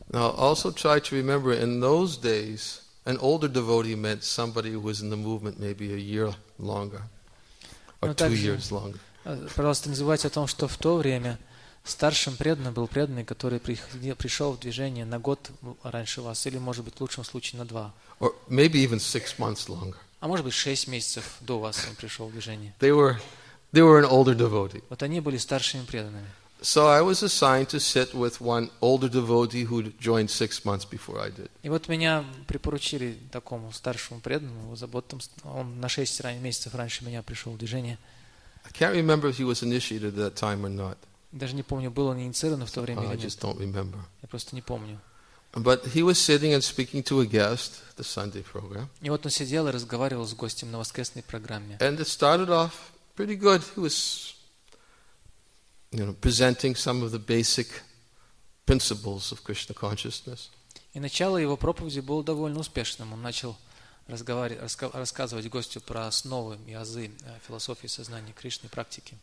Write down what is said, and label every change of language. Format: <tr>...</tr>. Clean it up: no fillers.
<en>Now, also try to remember, in those days, an older devotee meant somebody who was in the movement maybe a year longer, or two years longer.</en> <ru>Пожалуйста, не забывайте о том, что в то время старшим преданным был преданный, который пришел в движение на год раньше вас, или, может быть, в лучшем случае, на два.</ru> <en>Or maybe even 6 months longer.</en> <ru>А может быть, 6 месяцев до вас он пришел в движение.</ru> <en>They were an older devotee.</en> <ru>Вот они были старшими преданными.</ru> <en>So I was assigned to sit with one older devotee who joined 6 months before I did.</en> <ru>И вот меня припоручили такому старшему преданному, заботам, он на 6 месяцев раньше меня пришел в движение.</ru> <en>I can't remember if he was initiated at that time or not.</en> <ru>Даже не помню, был он инициирован в то время или нет. Я просто не помню.</ru> <en>But he was sitting and speaking to a guest the Sunday program.</en> <ru>И вот он сидел и разговаривал с гостем на воскресной программе.</ru> <en>And it started off pretty good. He was, presenting some of the basic principles of Krishna consciousness.</en> <ru>И начало его проповеди было довольно успешным. Он начал рассказывать гостю про основы и азы философии сознания Кришны, практики.</ru>